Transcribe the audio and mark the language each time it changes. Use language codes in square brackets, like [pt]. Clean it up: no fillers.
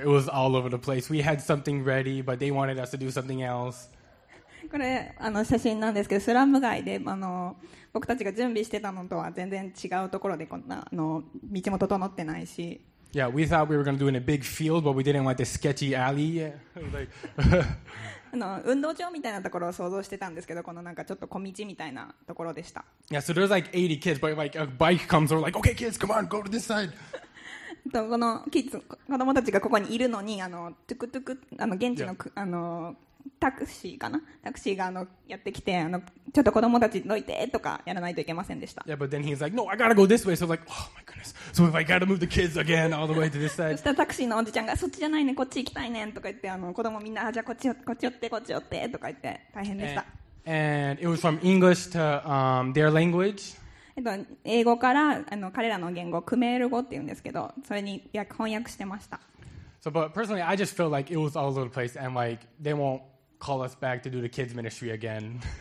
[en] It was all over the place. We had something ready, but they wanted us to do something else. [ja] これあの写真なんですけど、スラム街であの僕たちが準備してたのとは全然違うところでこんなあの道も整ってないし。 [en] Yeah, we thought we were going to do in a big field, but we didn't want the sketchy alley. Like, [ja] あの運動場みたいなところを想像してたんですけど、このなんかちょっと小道みたいなところでした。 [en] Yeah, so there's like 80 kids, but like a bike comes, we're like, okay, kids, come on, go to this side. [ja] とこのキッズ子供たちがここにいるのにあのトゥクトゥクあの現地の、yeah. あのタクシーかな、タクシーがあのやってきてあのちょっと子供たち乗いてとかやらないといけませんでした。 [en] Yeah, but then he's like, no, I gotta go this way. So I'm like, oh my goodness. So if I gotta move the kids again all the way to this side. [ja] そしたらタクシーのおじちゃんがそっちじゃないね、こっち行きたいねとか言ってあの子供みんなじゃあこっちこっち寄ってこっち寄ってとか言って大変でした。 [en] And it was from English to their language. [ja] 英語からあの彼らの言語クメール語って言うんですけど、それに翻訳してました。 [en] So, but personally, I just feel like it was all over the place, and like they won't. Call us back to do the kids ministry again.